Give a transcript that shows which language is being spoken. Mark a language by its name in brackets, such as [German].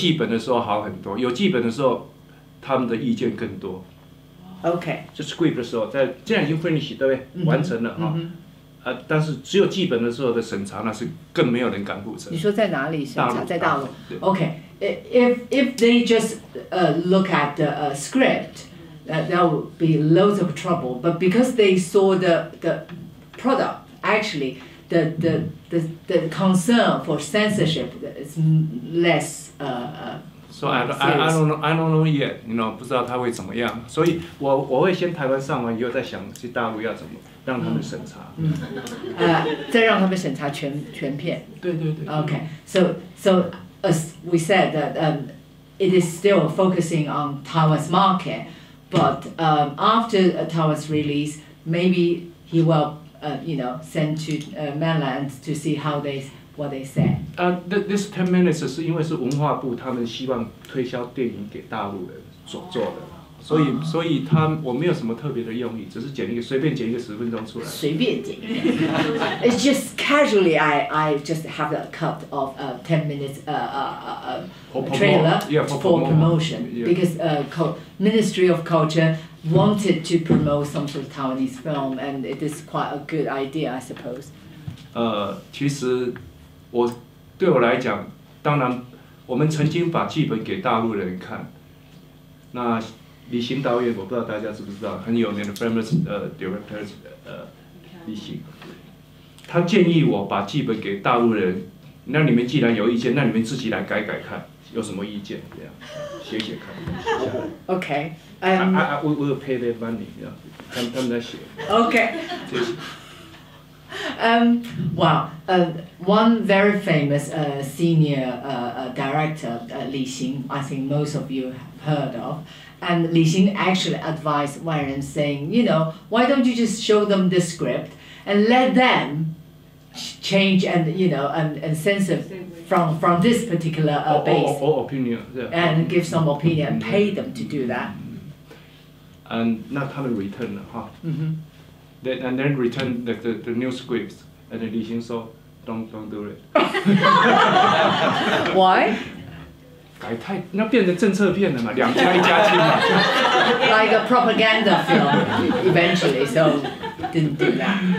[Chinese] 我在想，我原则上就是说，至少已经比只有剧本的时候好很多。有剧本的时候。他们的意见更多 [English] OK [Chinese] 就 script 的时候既然已经 finish 对不对 mm-hmm. 完成了 mm-hmm. 但是只有剧本的时候的审查那是更没有人敢负责你说在哪里审查在大陆 [English] OK if they just look at the script that would be loads of trouble but because they saw the product actually the concern for censorship is less So I don't know yet, you know, [Chinese] 不知道他会怎么样。所以我会先台湾上完，以后再想去大陆要怎么让他们审查。再让他们审查全片。对对对。 [English] Okay, so as we said that it is still focusing on Taiwan's market, but after Taiwan's release, maybe he will, you know, send to mainland to see how they, what they say. This 10 minutes is because it's 文化部, they want to sell the film to Taiwan. [Chinese] 所以他我没有什么特别的用意，只是剪一个随便剪一个十分钟出来。随便剪， [English] It's just casually I just have a cut of a 10 minutes trailer for promotion because Ministry of Culture wanted to promote some sort of Taiwanese film and it is quite a good idea I suppose. [Chinese] 其实我对我来讲，当然我们曾经把剧本给大陆人看，那。李行导演，我不知道大家知不知道，很有名的 [English] famous director [Chinese] 李行，他建议我把剧本给大陆人，那你们既然有意见，那你们自己来改改看，有什么意见这样，写写看。 [English] Okay, I will pay their money, you know, [Chinese] 他们在写。 [English] Okay. [Chinese] 谢谢。 [English] Well, one very famous senior director, Li Xing, I think most of you have heard of. And Li Xing actually advised Wan Jen saying, you know, why don't you just show them the script and let them change and, you know, and censor from this particular base. Or opinion. Yeah. And give some opinion and pay them to do that. And not have a return, huh? Mm-hmm. And then return the new scripts, and then Li Xing said, don't do it. Why? [Chinese] 改太那变成政策片了嘛，两家一家亲嘛。 [English] Like a propaganda film, eventually, so didn't do that.